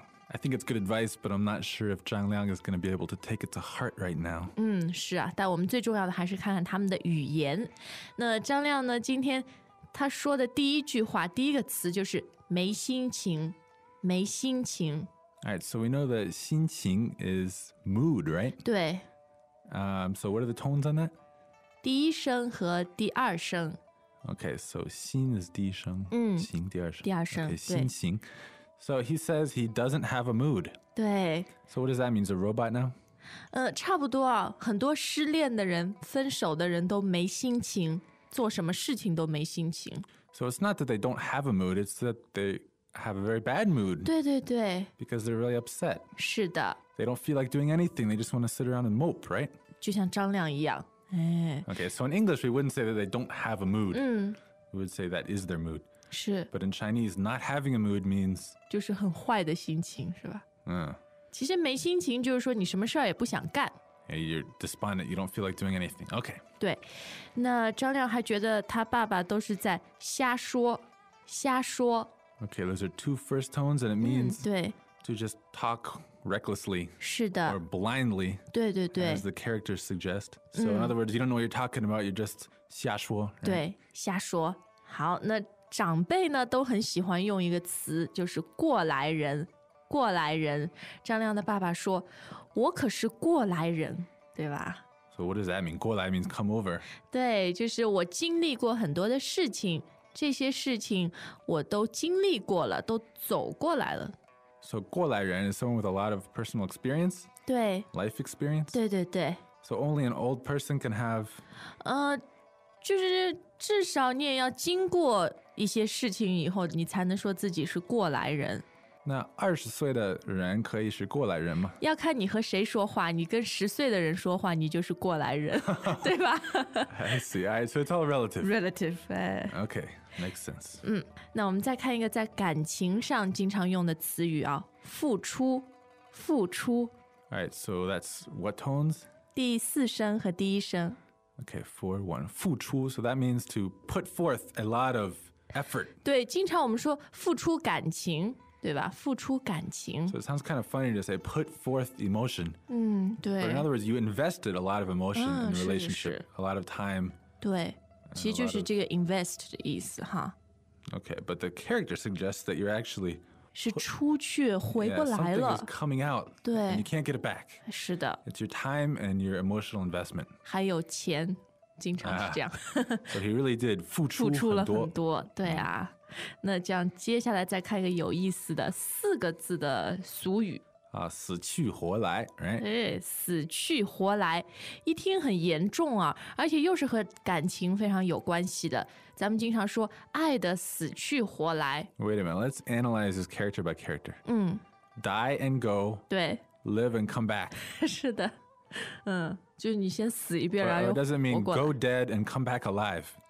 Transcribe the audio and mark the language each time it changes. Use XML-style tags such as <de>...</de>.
<en>I think it's good advice, but I'm not sure if Zhang Liang is going to be able to take it to heart right now.</en> <zh>是啊，但我们最重要的还是看看他们的语言。那张亮呢，今天他说的第一句话，第一个词就是没心情，没心情。</zh> <en>All right, so we know that 心情 is mood, right?</en> <zh>对。</zh> <en>So what are the tones on that?</en> <zh>第一声和第二声。</zh> <en>Okay, so</en> <zh>心 is 第一声，情第二声。第二声，</zh> <en>okay, 心情。So he says he doesn't have a mood.</en> <zh>对。</zh> <en>So what does that mean? He's a robot now?</en> <zh>差不多啊，很多失恋的人，分手的人都没心情，做什么事情都没心情。</zh> <en>So it's not that they don't have a mood, it's that they have a very bad mood.</en> <zh>对对对。</zh> <en>Because they're really upset.</en> <zh>是的。</zh> <en>They don't feel like doing anything, they just want to sit around and mope, right?</en> <zh>就像张亮一样。哎。</zh> <en>Okay, so in English we wouldn't say that they don't have a mood. We would say that is their mood.</en> <zh>是。</zh> <en>But in Chinese, not having a mood means...</en> <zh>就是很坏的心情，是吧？其实没心情就是说你什么事也不想干。</zh> <en>Hey, you're despondent, you don't feel like doing anything. Okay.</en> <zh>对。那张亮还觉得他爸爸都是在瞎说，瞎说。</zh> <en>Okay, those are two first tones and it means...</en> <zh>对。</zh> <en>To just talk recklessly.</en> <zh>是的。</zh> <en>Or blindly.</en> <zh>对对对。</zh> <en>As the characters suggest. So in other words, you don't know what you're talking about, you're just 瞎说。 Right?</en> <zh>对，瞎说。好，那长辈呢都很喜欢用一个词，就是过来人，过来人。张亮的爸爸说，我可是过来人，对吧？</zh> <en>So what does that mean? 过来 means come over.</en> <zh>对，就是我经历过很多的事情，这些事情我都经历过了，都走过来了。</zh> <en>So 过来人 is someone with a lot of personal experience?</en> <zh>对。</zh> <en>Life experience?</en> <zh>对对对。</zh> <en>So only an old person can have...</en> <zh>就是至少你也要经过一些事情以后，你才能说自己是过来人。那二十岁的人可以是过来人吗？要看你和谁说话，你跟十岁的人说话，你就是过来人，对吧？</zh> <en>I see, I, so it's all relative. Relative, right. Okay, makes sense.</en> <zh>那我们再看一个在感情上经常用的词语啊，付出，付出。</zh> <en>All right, so that's what tones?</en> <zh>第四声和第一声。</zh> <en>Okay, 4-1, 付出, so that means to put forth a lot of effort.</en> <zh>对，经常我们说付出感情。对吧？付出感情。</zh> <en>So it sounds kind of funny to say put forth emotion.</en> <zh>对。</zh> <en>But in other words, you invested a lot of emotion in the relationship.</en> <zh>是是是。</zh> <en>A lot of time.</en> <zh>对。其实就是这个 invest 的意思哈。</zh> <en>Okay, but the character suggests that you're actually</en> <zh>是出去回不来了。</zh> <en>Yeah, something is coming out.</en> <zh>对。</zh> <en>And you can't get it back.</en> <zh>是的。</zh> <en>It's your time and your emotional investment.</en> <zh>还有钱。经常是这样、</zh> <en>啊、So he really did</en> <zh>付出了很多对啊、嗯、那这样接下来再看一个有意思的四个字的俗语啊，死去活来、</zh> <en>right?</en> <zh>哎、死去活来一听很严重啊而且又是和感情非常有关系的咱们经常说爱的死去活来</zh> <en>Wait a minute Let's analyze this character by character、</en> <zh>嗯、</zh> <en>Die and go</en> <zh>对</zh> <en>Live and come back</en> <zh>是的嗯就你先死一遍然后又活过来</zh> <en>It doesn't mean go dead and come back alive</en>